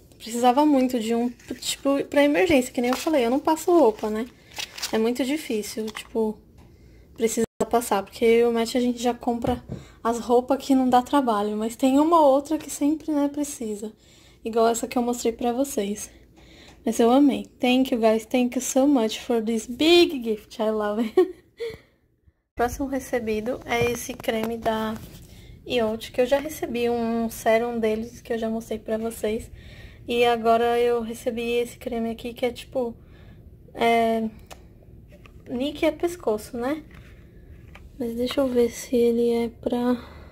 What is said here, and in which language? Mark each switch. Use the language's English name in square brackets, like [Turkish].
[Portuguese] Precisava muito de um, tipo, pra emergência, que nem eu falei, eu não passo roupa, né? É muito difícil, tipo, precisa passar, porque o Match a gente já compra as roupas que não dá trabalho, mas tem uma outra que sempre, né, precisa. Igual essa que eu mostrei pra vocês. Mas eu amei. [English] Thank you guys, thank you so much for this big gift. I love it. [Portuguese] Próximo recebido é esse creme da IOT, que eu já recebi um sérum deles que eu já mostrei pra vocês. E agora eu recebi esse creme aqui que é tipo. Nick é pescoço, né? Mas deixa eu ver se ele é pra.